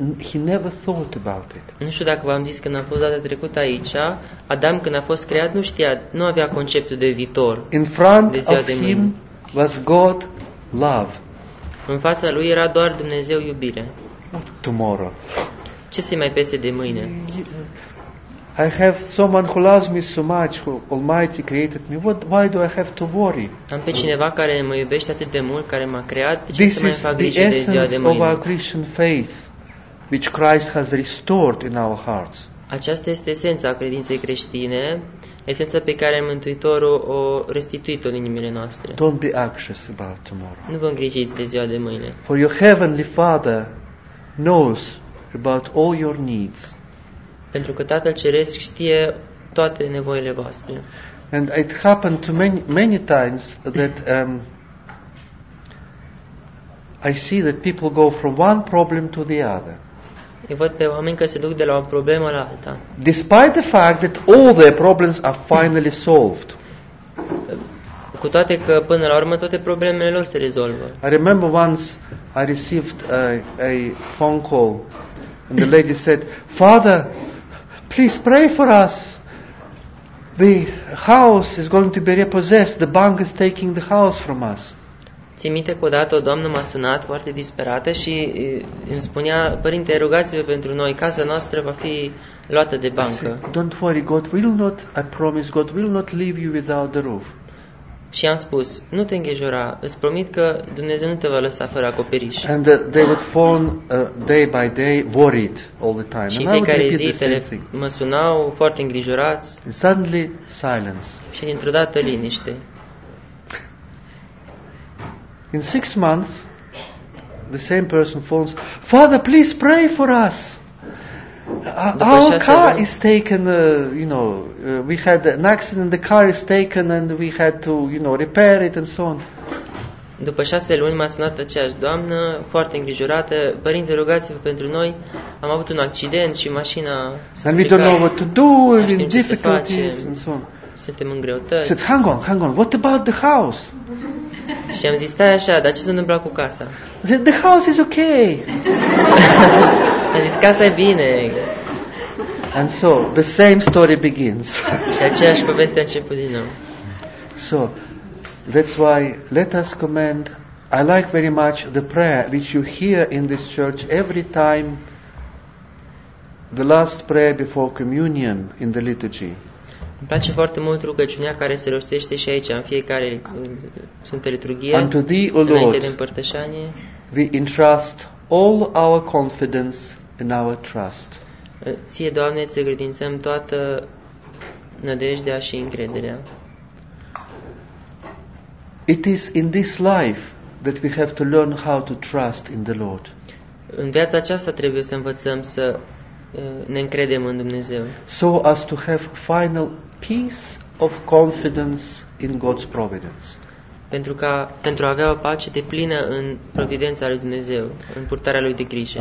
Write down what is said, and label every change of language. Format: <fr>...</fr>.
<en>He never thought about it.</en> <ro>Nu știu dacă v-am zis că n-a fost data trecută aici, Adam când a fost creat nu știa, nu avea conceptul de viitor.</ro> <en>In front of him was God, love.</en> <ro>În fața lui era doar Dumnezeu iubire.</ro> <en>Tomorrow.</en> <ro>Ce se mai pese de mâine?</ro> <en>I have someone who loves me so much, who Almighty created me. What? Why do I have to worry?</en> <ro>Am pe cineva care mă iubește atât de mult, care m-a creat, ce să mai fac grijă de ziua de mâine?</ro> <en>This is the essence of our Christian faith, which Christ has restored in our hearts.</en> <ro>Aceasta este esența credinței creștine, esența pe care Mântuitorul o restituit-o în inimile noastre.</ro> <en>Don't be anxious about tomorrow.</en> <ro>Nu vă îngrijiți de ziua de mâine.</ro> <en>For your heavenly Father knows about all your needs.</en> <ro>Pentru că Tatăl Ceresc știe toate nevoile voastre.</ro> <en>And it happened to many times that I see that people go from one problem to the other.</en> <ro>Eu văd pe oameni că se duc de la o problemă la alta.</ro> <en>Despite the fact that all their problems are finally solved.</en> <ro>Cu toate că până la urmă toate problemele lor se rezolvă.</ro> <en>I remember once I received a phone call and the lady said, "Father, please pray for us. The house is going to be repossessed. The bank is taking the house from us."</en> <ro>Ți-mi minte că odată o doamnă m-a sunat foarte disperată și îmi spunea: "Părinte, rugați-vă pentru noi, casa noastră va fi luată de bancă."</ro> <en>Said, "Don't worry, God will not. I promise God will not leave you without the roof."</en> <ro>Și am spus: "Nu te îngrijora, îți promit că Dumnezeu nu te va lăsa fără acoperiș."</ro> <en>And they would phone day by day worried all the time.</en> <ro>Și fiecare zi mă sunau foarte îngrijorați.</ro> <en>And suddenly silence.</en> <ro>Și dintr-o dată liniște.</ro> <en>In 6 months the same person phones, "Father, please pray for us. Our car is taken, we had an accident, the car is taken and we had to, repair it and so on."</en> <ro>După 6 luni m-a sunat aceeași doamnă, foarte îngrijorată: "Părinte, rugați-vă pentru noi, am avut un accident și mașina s-a</ro> <en>stricat. And we don't know what to do, in difficulties and so on."</en> <ro>Suntem în greutăți.</ro> <en>Said, hang on, what about the house?</en> <ro>Și am zis: "Stai așa, dar ce se întâmplă cu casa?"</ro> <en>Said, "The house is okay."</en> <ro>Am zis: "Casa e bine."</ro> <en>And so, the same story begins.</en> <ro>Și aceeași poveste a început din nou.</ro> <en>So, that's why let us commend. I like very much the prayer which you hear in this church every time, the last prayer before communion in the liturgy.</en> <ro>Îmi place foarte mult rugăciunea care se rostește și aici, în fiecare Sfântă Liturghie.</ro> <en>Unto Thee, O Lord,</en> <ro>înainte de împărtășanie,</ro> <en>we entrust all our confidence and our trust.</en> <ro>Ție, Doamne, ți încredințăm toată nădejdea și încrederea.</ro> <en>It is in this life that we have to learn how to trust in the Lord.</en> <ro>În viața aceasta trebuie să învățăm să ne încredem în Dumnezeu.</ro> <en>So as to have final peace of confidence in God's providence.</en> <ro>Pentru a avea o pace deplină în providența lui Dumnezeu, în purtarea lui de grijă.</ro>